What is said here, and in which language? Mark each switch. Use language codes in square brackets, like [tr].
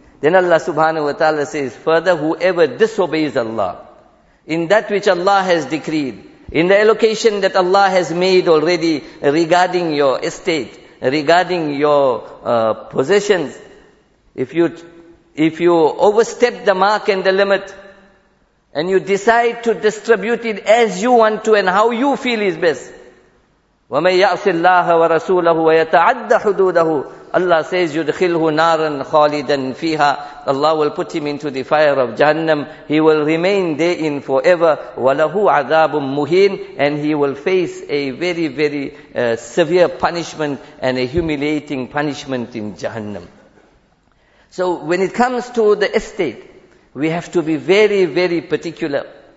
[en] Then Allah subhanahu wa ta'ala says, further, whoever disobeys Allah in that which Allah has decreed, in the allocation that Allah has made already regarding your estate, regarding your possessions, if you overstep the mark and the limit, and you decide to distribute it as you want to and how you feel is best, [ar] وَمَنْ يَعْصِ اللَّهَ وَرَسُولَهُ وَيَتَعَدَّ حُدُودَهُ. [en] Allah says, [ar] يُدْخِلْهُ نَارًا خَالِدًا فِيهَا. [en] Allah will put him into the fire of Jahannam. He will remain therein forever. [ar] وَلَهُ عَذَابٌ مُهِينٌ. [en] And he will face a very, very severe punishment and a humiliating punishment in Jahannam. So when it comes to the estate, we have to be very, very particular.